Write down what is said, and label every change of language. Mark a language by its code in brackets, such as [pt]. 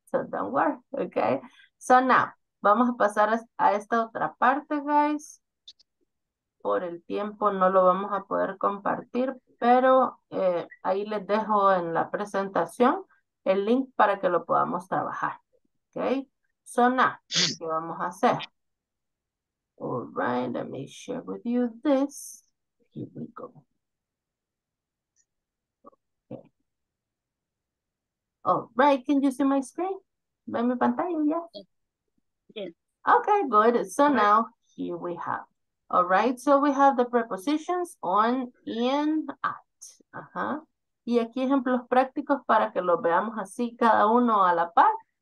[en] So don't worry, okay? So now, [es] vamos a pasar a esta otra parte, [en] guys. [es] Por el tiempo no lo vamos a poder compartir, pero ahí les dejo en la presentación el link para que lo podamos trabajar, okay? So now, ¿qué vamos a hacer? [en] All right, let me share with you this. Here we go. Okay. All right, can you see my screen? [es] ¿Ven mi pantalla? [en] Yeah. Yes. Okay, good. So right. Now here we have. All right, so we have the prepositions on, in, at. [es] Y aquí ejemplos prácticos para que los veamos así cada uno a la par.